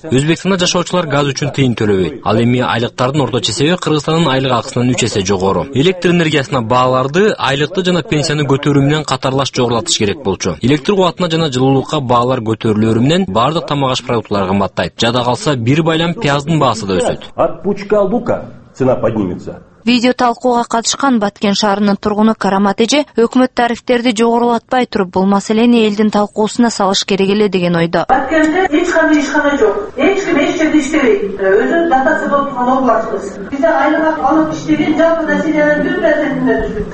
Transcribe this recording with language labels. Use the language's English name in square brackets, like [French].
[Kyrgyz] Өзбекстанда жашоочулар газ үчүн тыйын төлөбөйт. Ал эми айлыктардын орточо эсеби Кыргызстандын айлык акысынан 3 эсе жогору. Электр энергиясына бааларды айлыкты жана пенсияны көтөрүү менен катарлаш жогорулатыш керек болчу. Электр кубатына жана жылуулукка баалар көтөрүлөрү менен бардык тамак аш продуктулары кымбаттайт. Жада калса, бир байлам пияздын баасы да өсөт. [Russian] От пучка лука цена поднимется. [Kyrgyz] Видео талкууга катышкан Баткен шаарынын тургуну Карамат эже өкмөт тарифтерди жогорулатпай туруп бул маселени элдин талкуусуна салыш керек эле деген ойдо. Баткенде эч кандай ишкана жок. Эч ким эч жерде иштебейт. Өзү дотация болуп турган облус башчысы. Бизде айлык алып иштеген жалпы населенин 1%ине түшүп.